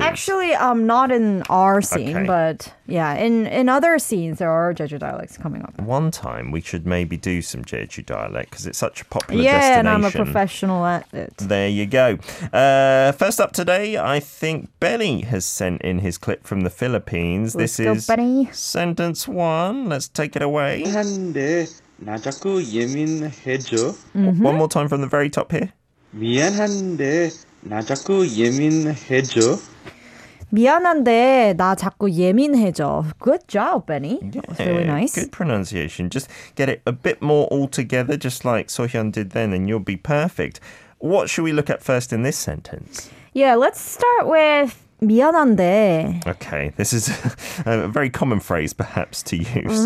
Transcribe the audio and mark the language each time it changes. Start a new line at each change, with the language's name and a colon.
English: Actually, not in our scene, but yeah, in other scenes, there are Jeju dialects coming up. One time, we should maybe do some Jeju dialect because it's such a popular destination. Yeah, and I'm a professional at it. There you go. First up today, I think Benny has sent in his clip from the Philippines. Let's this go, is Benny. Sentence one. Let's take it away.
Korean: 미안한데 나 자꾸 예민해져.
English: One more time from the very top here.
Korean: 미안한데 나 자꾸 예민해져. 미안한데 나 자꾸 예민해져.
English: Good job, Benny. Yeah, that was really nice. Good pronunciation. Just get it a bit more all together, just like Sohyun did then, and you'll be perfect. What should we look at first in this sentence? Yeah, let's start with 미안한데. Okay, this is a very common phrase perhaps to use.